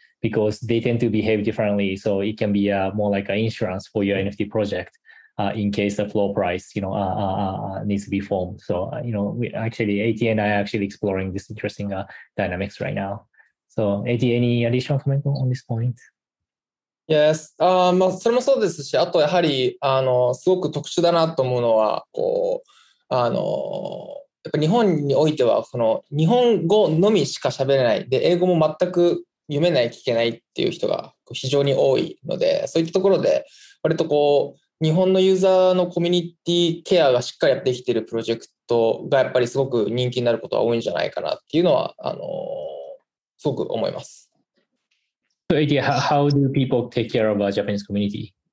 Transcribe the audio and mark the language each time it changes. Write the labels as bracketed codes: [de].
[en] because they tend to behave differently. So it can be more like an insurance for your NFT project in case the floor price, you know, needs to be formed. So, you know, we actually, AT and I are actually exploring this interesting dynamics right now. So AT, any additional comment on this point? Yes. [ja] まあ、それもそうですし、あとやはり、すごく特殊だなと思うのは、こう、やっぱ日本においては、この日本語のみしか喋れない。で、英語も全く読めない、聞けないっていう人が非常に多いので、そういったところで、割とこう、日本のユーザーのコミュニティケアがしっかりできているプロジェクトがやっぱりすごく人気になることは多いんじゃないかなっていうのは、すごく思います。 [en] So, AD, how do people take care of a Japanese community?